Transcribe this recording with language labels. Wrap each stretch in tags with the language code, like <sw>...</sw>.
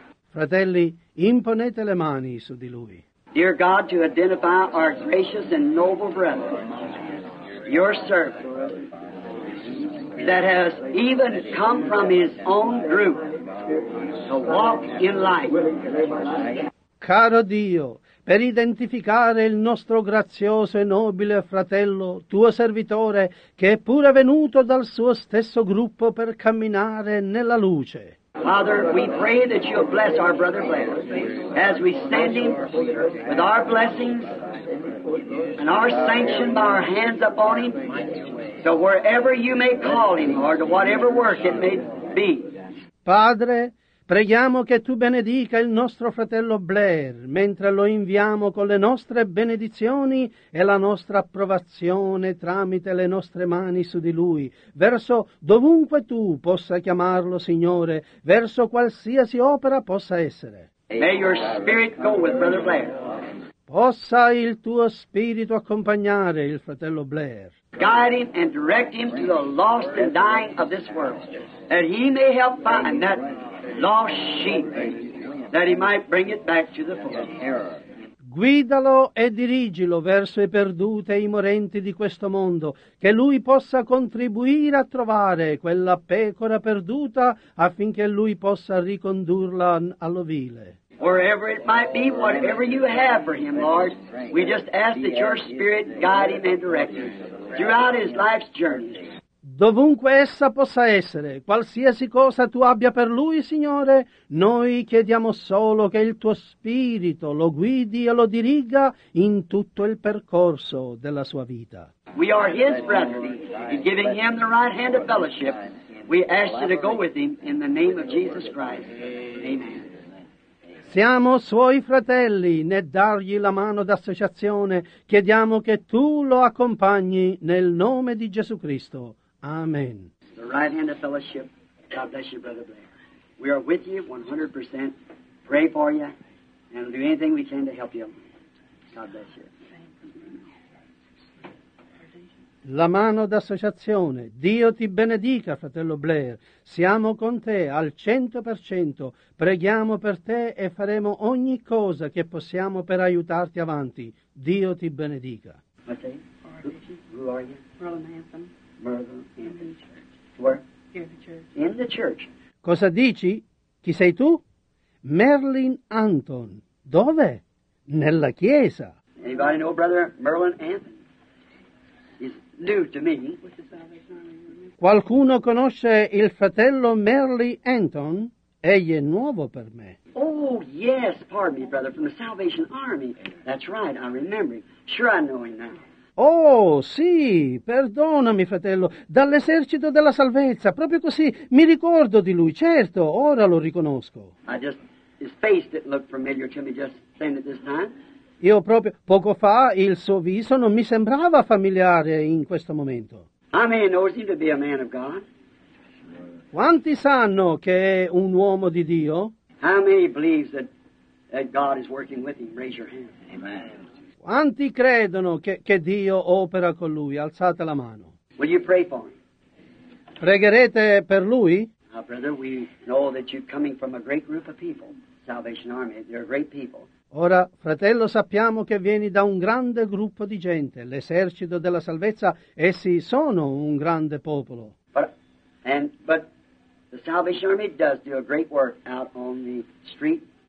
<it>Fratelli, imponete le mani su di lui.</it> <en>Dear God, to identify our gracious and noble brethren, your servant, that has even come from his own group to walk in light.</en> <it>Caro Dio, per identificare il nostro grazioso e nobile fratello, tuo servitore, che è pure venuto dal suo stesso gruppo per camminare nella luce.</it> <en>Father, we pray that you bless our brother Blair as we stand him with our blessings and our sanction by our hands upon him. So wherever you may call him, Lord, to whatever work it may be.</en> <it>Padre, preghiamo che tu benedica il nostro fratello Blair mentre lo inviamo con le nostre benedizioni e la nostra approvazione tramite le nostre mani su di lui, verso dovunque tu possa chiamarlo, Signore, verso qualsiasi opera possa essere.</it> <en>May your spirit go with Brother Blair.</en> <it>Possa il tuo spirito accompagnare il fratello Blair.</it> <en>Guide him and direct him to the lost and dying of this world, that he may help find that lost sheep, that he might bring it back to the fold.</en> <it>Guidalo e dirigilo verso i perduti e i morenti di questo mondo, che lui possa contribuire a trovare quella pecora perduta affinché lui possa ricondurla all'ovile.</it> <en>Wherever it might be, whatever you have for him, Lord, we just ask that your spirit guide him and direct him throughout his life's journey.</en> <it>Dovunque essa possa essere, qualsiasi cosa tu abbia per lui, Signore, noi chiediamo solo che il tuo spirito lo guidi e lo dirigga in tutto il percorso della sua vita.</it> <en>We are his brethren, and giving him the right hand of fellowship, we ask you to go with him in the name of Jesus Christ. Amen.</en> <it>Siamo suoi fratelli, né dargli la mano d'associazione, chiediamo che tu lo accompagni nel nome di Gesù Cristo. Amen.</it> <en>The right hand of fellowship. God bless you, Brother Blair. We are with you 100%. Pray for you and do anything we can to help you. God bless you.</en> <it>La mano d'associazione. Dio ti benedica, fratello Blair. Siamo con te al 100%. Preghiamo per te e faremo ogni cosa che possiamo per aiutarti avanti. Dio ti benedica.</it> <en>Okay. Who are you? Merlin Anthony. Merlin Anthony. Where? In the church.</en> <it>Cosa dici? Chi sei tu? Merlin Anton. Dove? Nella chiesa.</it> <en>Anybody know Brother Merlin Anton? He's new to me.</en> <it>Qualcuno conosce il fratello Merlin Anton? Egli è nuovo per me.</it> <en>Oh, yes, pardon me, brother, from the Salvation Army. That's right, I remember him. Sure, I know him now.</en> <it>Oh, sì, perdonami, fratello, dall'esercito della salvezza, proprio così, mi ricordo di lui, certo, ora lo riconosco.</it> <en>I just, his face didn't look familiar to me just then at this time.</en> <it>Io proprio, poco fa, il suo viso non mi sembrava familiare in questo momento.</it> <en>I may know him to be a man of God.</en> <it>Quanti sanno che è un uomo di Dio?</it> <en>How many believes that God is working with him? Raise your hand. Amen.</en> <it>Quanti credono che Dio opera con lui? Alzate la mano.</it> <en>Will you pray for him?</en> <it>Pregherete per lui?</it> <en>Now, brother, we know that you're coming from a great group of people, Salvation Army. They're great people.</en> <it>Ora, fratello, sappiamo che vieni da un grande gruppo di gente, l'esercito della salvezza. Essi sono un grande popolo.</it> <en>But the Salvation Army does do a great work out on the street.</en>